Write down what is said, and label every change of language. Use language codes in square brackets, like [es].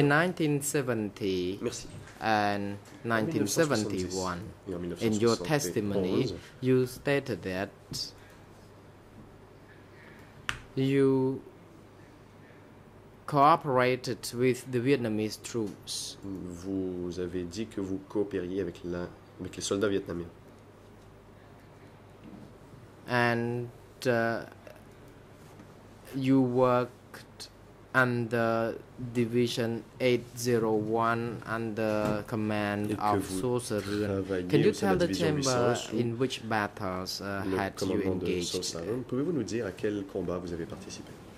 [en] In 1970 [fr] Merci. [en] And 1971, in your testimony, you stated that you cooperated with the Vietnamese troops. [fr] Vous avez dit que vous coopériez avec la avec les soldats vietnamiens. [en] And you worked under division 801 under command of Sô Sơ Rươn. Can you tell the chamber in which battles had you engaged? [fr] Pouvez-vous nous dire à quel combat vous avez participé?